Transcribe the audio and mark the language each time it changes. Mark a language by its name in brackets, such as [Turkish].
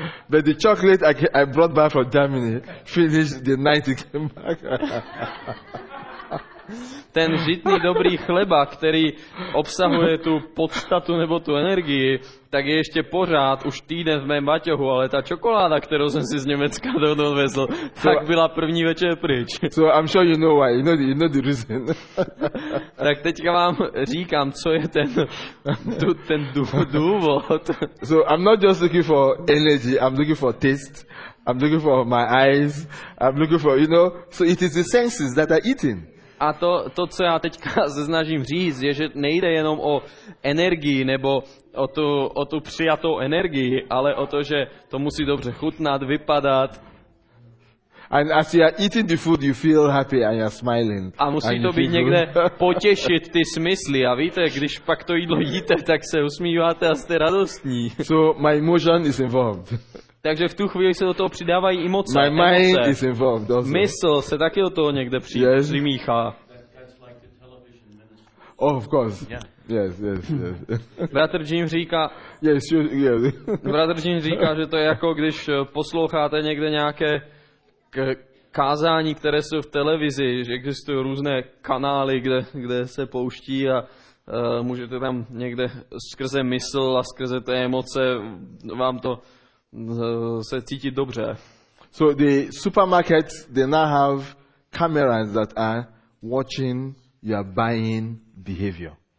[English] But the chocolate I brought back from Germany finished the night it came back. [Czech] Ten žitný dobrý chleba, který obsahuje tu podstatu nebo tu energii, tak je ještě pořád už týden v mém baťohu, ale ta čokoláda, kterou jsem si z Německa dovezl, tak byla první večer pryč. [English] So I'm sure you know why, you know the reason. [Czech] Tak teďka vám říkám, co je ten důvod. [English] So I'm not just looking for energy, I'm looking for taste, I'm looking for my eyes, I'm looking for, you know, so it is the senses that are eating. [Czech] A to, co já teďka se snažím říct, je, že nejde jenom o energii nebo o tu přijatou energii, ale o to, že to musí dobře chutnat, vypadat. [English] And as you are eating the food, you feel happy and you are smiling. [Czech] A musí to být někde potěšit ty smysly. A víte, když pak to jídlo jíte, tak se usmíváte a jste radostní. [English] So my emotion is involved. [Czech] Takže v tu chvíli se do toho přidávají emoce. [English] My mind is involved, doesn't it? [Czech] Mysl se taky do toho někde přimíchá. [English] Oh, of course. Yeah. Yes. [Czech] Bratr Jim říká. [English] Yes, you. Yes. [Czech] Bratr Jim říká, že to je jako když posloucháte někde nějaké kázání, které jsou v televizi, že existují různé kanály, kde se pouští a můžete tam někde skrze mysl a skrze ty emoce vám to se cítit dobře. [English] So the supermarkets, they now have cameras that are watching your buying behavior.